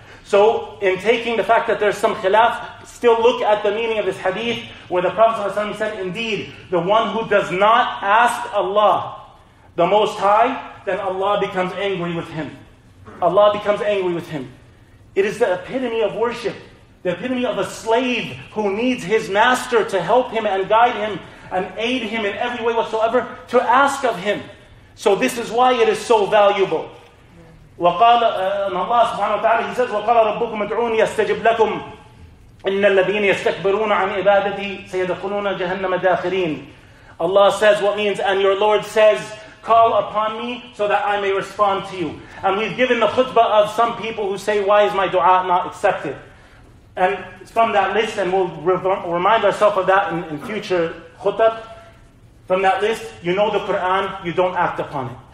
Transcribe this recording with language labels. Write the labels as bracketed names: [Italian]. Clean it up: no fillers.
[English] So in taking the fact that there's some khilaf, still look at the meaning of this hadith, where the Prophet sallallahu alayhi wa sallam said, indeed, the one who does not ask Allah, the Most High, then Allah becomes angry with him. Allah becomes angry with him. It is the epitome of worship. The epitome of a slave who needs his master to help him and guide him and aid him in every way whatsoever to ask of him. So this is why it is so valuable. And Allah subhanahu wa ta'ala, he says, [Arabic] وَقَالَ رَبُّكُمْ اَدْعُونِ يَسْتَجِبْ لَكُمْ إِنَّ الَّذِينَ يَسْتَكْبِرُونَ عَنْ إِبَادَتِي سَيَدْخُلُونَ جَهَنَّمَ دَاخِرِينَ. [English] Allah says what means, and your Lord says, call upon me so that I may respond to you. And we've given the khutbah of some people who say, why is my dua not accepted? And from that list, and we'll remind ourselves of that in future khutbah, from that list, you know the Quran, you don't act upon it.